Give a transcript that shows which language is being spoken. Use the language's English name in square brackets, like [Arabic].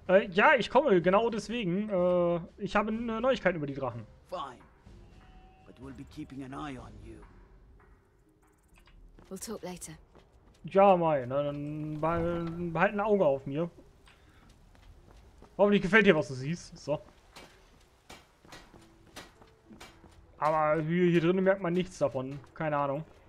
[German] Ja, ich komme, genau deswegen. Ich habe eine Neuigkeit über die Drachen. [English] Fine. But we'll be keeping an eye on you. We'll talk later. [German] Ja, Mai, na, dann behalt ein Auge auf mir. Hoffentlich gefällt dir, was du siehst. So. Aber hier drinnen merkt man nichts davon. Keine Ahnung.